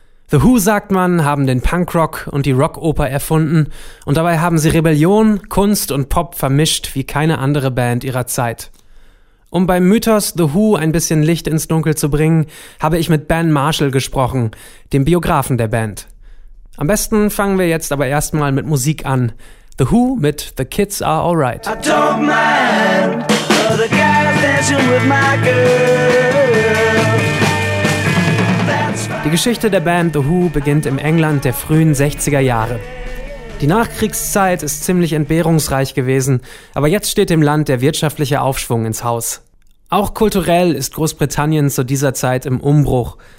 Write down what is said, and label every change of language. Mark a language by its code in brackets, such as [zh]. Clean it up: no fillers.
[de] The Who, sagt man, haben den Punkrock und die Rockoper erfunden und dabei haben sie Rebellion, Kunst und Pop vermischt wie keine andere Band ihrer Zeit. Um beim Mythos The Who ein bisschen Licht ins Dunkel zu bringen, habe ich mit Ben Marshall gesprochen, dem Biografen der Band. Am besten fangen wir jetzt aber erstmal mit Musik an. The Who mit The Kids Are Alright. [en] I don't mind for the guys dancing with my girl. [de] Die Geschichte der Band The Who beginnt im England der frühen 60er Jahre. Die Nachkriegszeit ist ziemlich entbehrungsreich gewesen, aber jetzt steht dem Land der wirtschaftliche Aufschwung ins Haus. Auch kulturell ist Großbritannien zu dieser Zeit im Umbruch.